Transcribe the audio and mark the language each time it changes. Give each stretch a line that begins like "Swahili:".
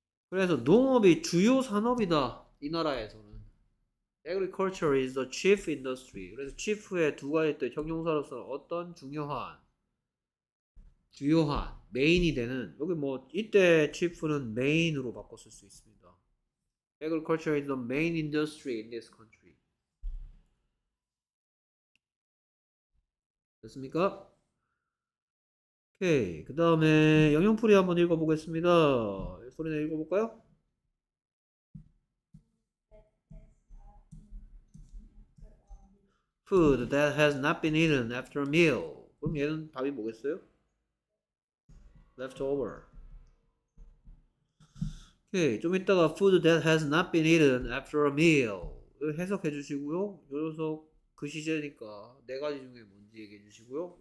Korean: 그래서 농업이 주요 산업이다. 이 나라에서는
English: agriculture is the chief industry.
Korean: 그래서 chief의 두 가지 뜻, 형용사로서는 어떤 중요한, 주요한, 메인이 되는. 여기 뭐 이때 chief는 메인으로 바꿔 쓸수 있습니다.
English: Agriculture is the main industry in this country.
Korean: 됐습니까? 오케이. 그 다음에 영영풀이 한번 읽어보겠습니다. 소리 내 읽어볼까요?
English: 푸드 that has not been eaten after a meal.
Korean: 그럼 얘는 밥이 뭐겠어요?
English: Leftover.
Korean: 오케이. 좀 이따가
English: food that has not been eaten after a meal
Korean: 해석해 주시고요. 요 녀석 그 시제니까 네 가지 중에 뭔지 얘기해 주시고요.